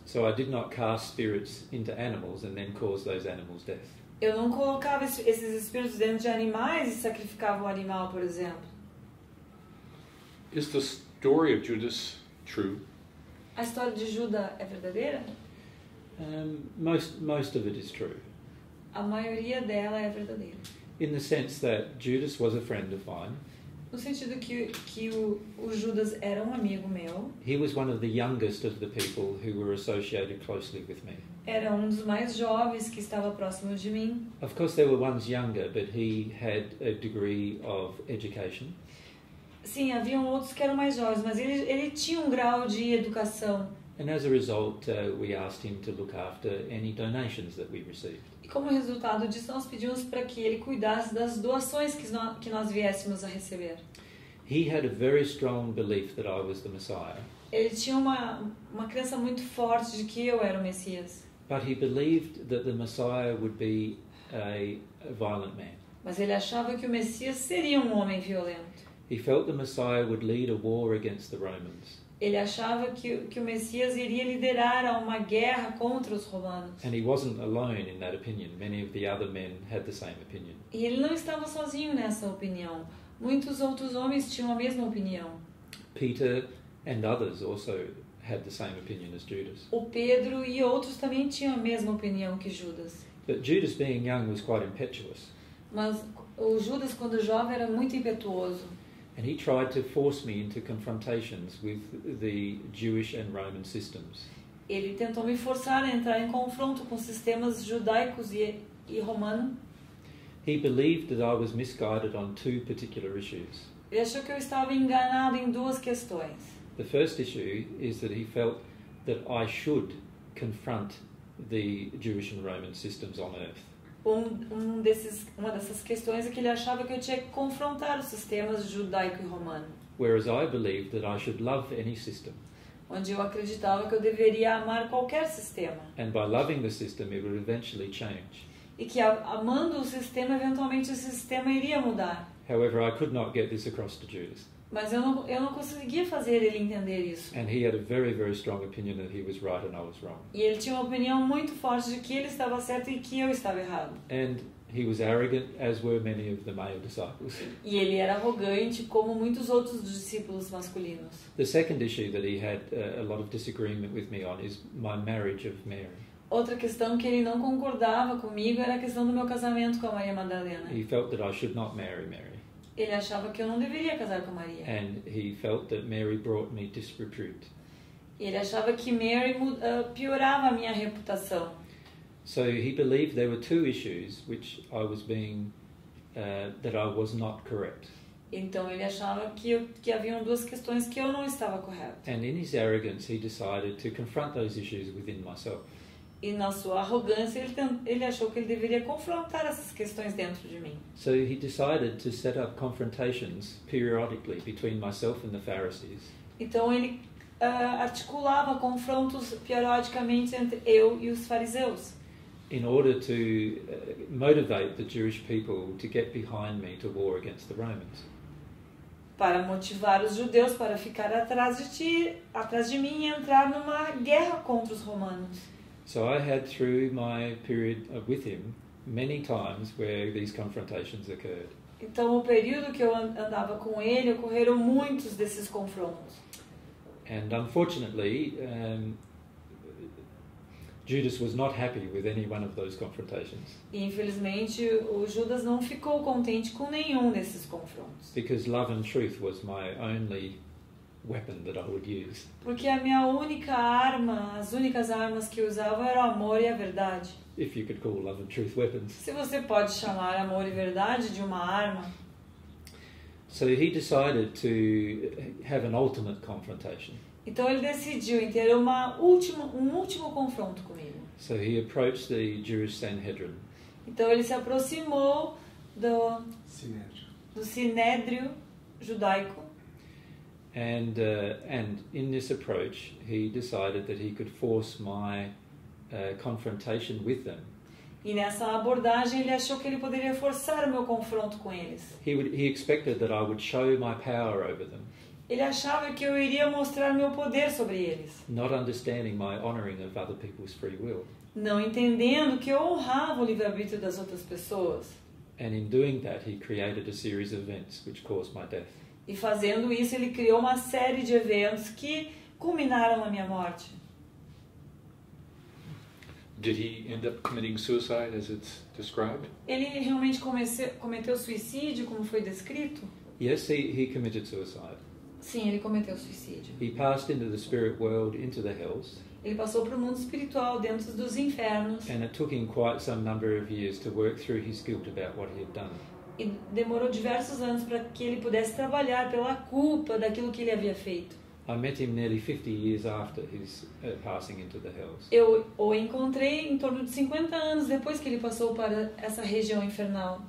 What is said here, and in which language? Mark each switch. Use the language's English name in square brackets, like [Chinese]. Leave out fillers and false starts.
[English] So I did not cast spirits into animals and then cause those animals' death. [Portuguese] Eu não colocava esses espíritos dentro de animais e sacrificava um animal, por exemplo. [English] Is the story of Judas true? [Portuguese] A história de Judas é verdadeira? [English] Most of it is true. [Portuguese] A maioria dela é verdadeira. [English] In the sense that Judas was a friend of mine. [Portuguese] No sentido que o Judas era um amigo meu. [English] He was one of the youngest of the people who were associated closely with me. [Portuguese] Era um dos mais jovens que estava próximo de mim. [English] Of course there were ones younger, but he had a degree of education. [Portuguese] Sim, haviam outros que eram mais jovens, mas ele tinha um grau de educação. [English] And as a result, we asked him to look after any donations that we received. [Portuguese] E como resultado disso, nós pedimos para que ele cuidasse das doações que nós viéssemos a receber. [English] He had a very strong belief that I was the Messiah. [Portuguese] Ele tinha uma crença muito forte de que eu era o Messias. [English] But he believed that the Messiah would be a violent man. [Portuguese] Mas ele achava que o Messias seria um homem violento. [English] He felt the Messiah would lead a war against the Romans. [Portuguese] Ele achava que o Messias iria liderar a uma guerra contra os romanos. [English] And he wasn't alone in that opinion. Many of the other men had the same opinion. [Portuguese] E ele não estava sozinho nessa opinião. Muitos outros homens tinham a mesma opinião. [English] Peter and others also had the same opinion as Judas. [Portuguese] O Pedro e outros também tinham a mesma opinião que Judas. [English] But Judas being young was quite impetuous. [Portuguese] Mas o Judas quando jovem era muito impetuoso. [English] And he tried to force me into confrontations with the Jewish and Roman systems. [Portuguese] Ele tentou me forçar a entrar em confronto com sistemas judaicos e romano. [English] He believed that I was misguided on two particular issues. [Portuguese] Ele achou que eu estava enganado em duas questões. [English] The first issue is that he felt that I should confront the Jewish and Roman systems on earth. [Portuguese] Uma dessas questões é que ele achava que eu tinha que confrontar os sistemas judaico e romano. [English] Whereas I believed that I should love any system. [Portuguese] Onde eu acreditava que eu deveria amar qualquer sistema. [English] And by loving the system, it would eventually change. [Portuguese] E que amando o sistema, eventualmente o sistema iria mudar. [English] However, I could not get this across to Judas. [Portuguese] Mas eu não conseguia fazer ele entender isso. [English] And he had a very, very strong opinion that he was right and I was wrong. [Portuguese] E ele tinha uma opinião muito forte de que ele estava certo e que eu estava errado. [English] And he was arrogant, as were many of the male disciples. [Portuguese] E ele era arrogante, como muitos outros discípulos masculinos. [English] The second issue that he had a lot of disagreement with me on is my marriage of Mary. [Portuguese] Outra questão que ele não concordava comigo era a questão do meu casamento com a Maria Madalena. [English] He felt that I should not marry Mary. [Portuguese] Ele achava que eu não deveria casar com Maria. [English] And he felt that Mary brought me disrepute. [Portuguese] Ele achava que Mary piorava a minha reputação. [English] So he believed there were two issues which I was being that I was not correct. [Portuguese] Então ele achava que haviam duas questões que eu não estava correto. [English] And in his arrogance he decided to confront those issues within myself. [Portuguese] E na sua arrogância, ele achou que ele deveria confrontar essas questões dentro de mim. [English] So he decided to set up confrontations periodically between myself and the Pharisees. [Portuguese] Então ele articulava confrontos periodicamente entre eu e os fariseus. [English] In order to motivate the Jewish people to get behind me to war against the Romans. [Portuguese] Para motivar os judeus para ficar atrás de mim e entrar numa guerra contra os romanos. [English] So I had through my period with him many times where these confrontations occurred. [Portuguese] Então o período que eu andava com ele ocorreram muitos desses confrontos. [English] And unfortunately, Judas was not happy with any one of those confrontations. [Portuguese] E infelizmente o Judas não ficou contente com nenhum desses confrontos. [English] Because love and truth was my only weapon that I would use. [Portuguese] Porque a minha única arma, as únicas armas que eu usava era o amor e a verdade. [English] If you could call love and truth weapons. [Portuguese] Se você pode chamar amor e verdade de uma arma. [English] So he decided to have an ultimate confrontation. [Portuguese] Então ele decidiu em ter um último confronto comigo. [English] So he approached the Jewish Sanhedrin. [Portuguese] Então ele se aproximou do Sinédrio judaico. [English] And in this approach, he decided that he could force my confrontation with them. [Portuguese] E nessa abordagem ele achou que ele poderia forçar o meu confronto com eles. [English] He expected that I would show my power over them. [Portuguese] Ele achava que eu iria mostrar meu poder sobre eles. [English] Not understanding my honoring of other people's free will. [Portuguese] Não entendendo que eu honrava o livre-arbítrio das outras pessoas. [English] And in doing that, he created a series of events which caused my death. [Portuguese] E fazendo isso, ele criou uma série de eventos que culminaram na minha morte. [English] Did he end up committing suicide as it's described? [Portuguese] Ele realmente cometeu suicídio como foi descrito? [English] Yes, he committed suicide. [Portuguese] Sim, ele cometeu suicídio. [English] He passed into the spirit world, into the hells. [Portuguese] Ele passou para o mundo espiritual, dentro dos infernos. [English] And it took him quite some number of years to work through his guilt about what he had done. [Portuguese] E demorou diversos anos para que ele pudesse trabalhar pela culpa daquilo que ele havia feito. [English] I met him nearly 50 years after his passing into the hells. [Portuguese] Eu o encontrei em torno de 50 anos depois que ele passou para essa região infernal.